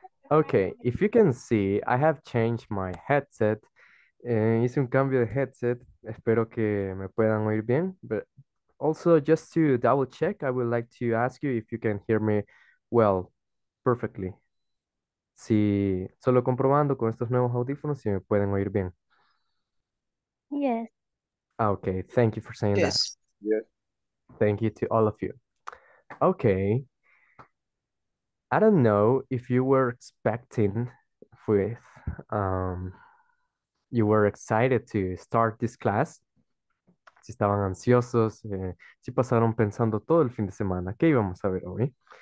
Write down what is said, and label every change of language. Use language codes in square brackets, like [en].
[en] Ok, if you can see, I have changed my headset. [es] Hice un cambio de headset. Espero que me puedan oír bien, pero. [en] Also, just to double check, I would like to ask you if you can hear me well, perfectly. [es] Si, solo comprobando con estos nuevos audífonos si me pueden oír bien. [en] Yes. Okay, thank you for saying that. Yes. Yes. Thank you to all of you. Okay. I don't know if you were expecting with, you were excited to start this class. [es] Si estaban ansiosos, si pasaron pensando todo el fin de semana, ¿qué íbamos a ver hoy?